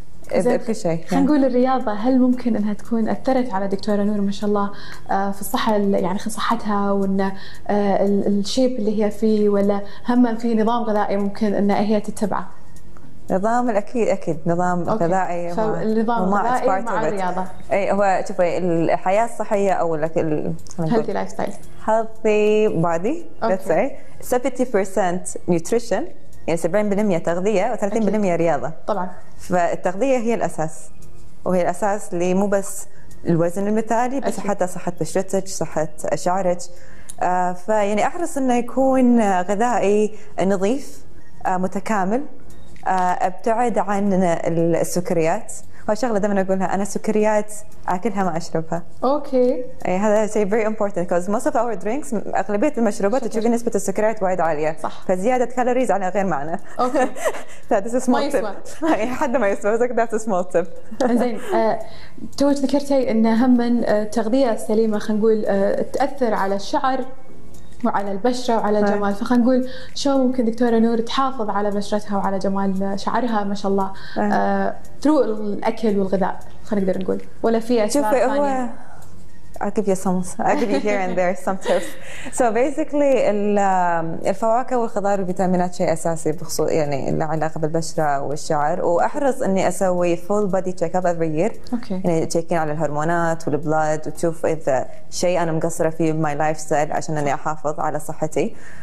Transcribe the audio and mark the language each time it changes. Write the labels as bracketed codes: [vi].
[ar] خلينا نقول الرياضة هل ممكن أنها تكون أثرت على دكتورة نور ما شاء الله في الصحة، يعني في صحتها وأن الشيب اللي هي فيه، ولا هم في نظام غذائي ممكن أن هي تتبعه؟ نظام الأكيد أكيد نظام غذائي. فالنظام الغذائي مع الرياضة. أي هو شوفي الحياة الصحية أو [en] healthy lifestyle healthy body let's say 70% nutrition، [ar] يعني 70% تغذية و 30% رياضة. طبعاً. فالتغذية هي الأساس، وهي الأساس اللي مو بس الوزن المثالي بس حتى صحة بشرتك، صحة شعرك. فيعني أحرص إنه يكون غذائي نظيف متكامل. أبتعد عن السكريات. هالشغلة دائما أقولها، أنا السكريات أكلها ما أشربها. أوكي. أي هذا شيء [en] very important because most of our drinks [ar] أغلبية المشروبات تشوف نسبة السكريات وايد عالية. صح. فزيادة كالوريز على غير معنى. أوكي. [en] That is a small tip. [ar] حد ما يسمع بس [en] that's a small tip. [ar] زين توج ذكرتي إن هم التغذية السليمة خلينا نقول تأثر على الشعر وعلى البشرة وعلى الجمال، فخلنا نقول شو ممكن دكتورة نور تحافظ على بشرتها وعلى جمال شعرها ما شاء الله through الأكل والغذاء، خلينا نقدر نقول، ولا في أسباب ثانية؟ هو... [en] I'll give you some, I'll give you here and there some tips. So basically [ar] الفواكه والخضار والفيتامينات شيء أساسي بخصوص يعني له علاقة بالبشرة والشعر، وأحرص إني أسوي [en] full body check up every year. Okay. [ar] يعني تشيكين على الهرمونات والبلد وتشوف إذا شيء أنا مقصرة فيه [en] بماي life style [ar] عشان إني أحافظ على صحتي.